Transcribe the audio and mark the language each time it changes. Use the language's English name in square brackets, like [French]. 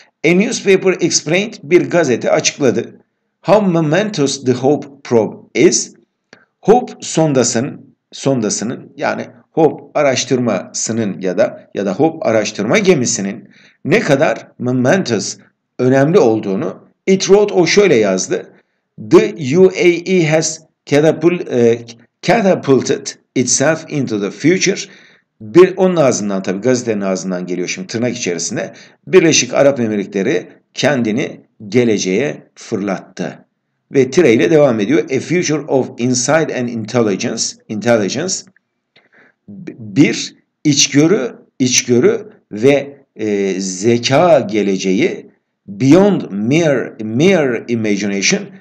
[English] A newspaper explained, [Turkish] bir gazete açıkladı. [English] How momentous the Hope probe is. [Turkish] Hope sondasının yani Hope araştırmasının ya da Hope araştırma gemisinin ne kadar momentous, önemli olduğunu. [English] It wrote, [Turkish] o şöyle yazdı. [English] The UAE has catapulted itself into the future. [Turkish] Bir, onun ağzından, tabi gazetenin ağzından geliyor şimdi tırnak içerisinde. Birleşik Arap Emirlikleri kendini geleceğe fırlattı. Ve tire ile devam ediyor. [English] A future of insight and intelligence. [Turkish] Bir, içgörü ve zeka geleceği, [English] beyond mere imagination,